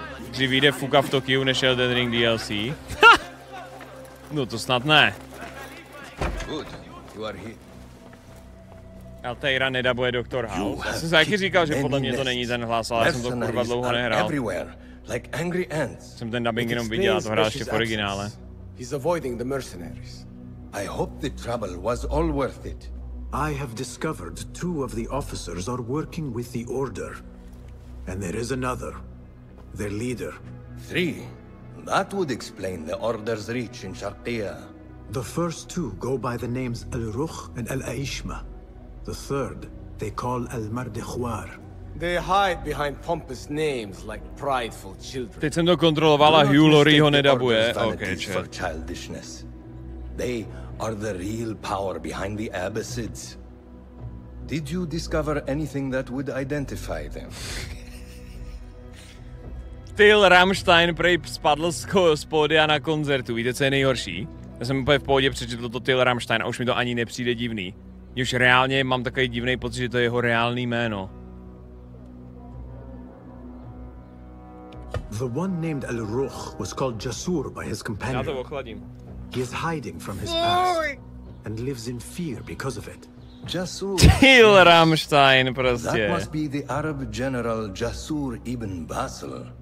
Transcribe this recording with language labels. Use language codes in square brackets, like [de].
[cs] Dřív vyjde Fuka v Tokiu než Elden Ring DLC. No to snad ne. Altaira nedabuje Dr. House. Já jsem se taky říkal, že podle mě to není ten hlas, ale jsem to kurva dlouho nehrál. [en] Like angry ants. [cs] Jsem ten dubbing jenom viděl, to hrál ještě v originále. [en] He's avoiding the mercenaries. I hope the trouble was all worth it. I have discovered two of the officers are working with the Order. And there is another. Their leader. Three? That would explain the Order's reach in Sharqiyah. The first two go by the names Al-Rukh and Al-Aishma. The third, they call Al-Mardikhwar. They hide behind pompous names like prideful children. [cs] Teď jsem to kontroloval a Hugh Laurie ho nedabuje. [en] Okay, childishness. They are the real power behind the Abbasids. Did you discover anything that would identify them? [cs] Till Rammstein prej spadl z pódia na koncertu. Víte, co je nejhorší? Já jsem úplně v pohodě přečetl to Till Rammstein a už mi to ani nepřijde divný. Mě už reálně mám takový divný pocit, že to je jeho reálný jméno. [en] The one named Al-Rukh was called Jasur by his companion. [cs] Já to ochladím. [en] He is hiding from his past and lives in fear because of it. [cs] Jasur. Till Rammstein prostě. [en] That must be the Arab general Jasur ibn Basil.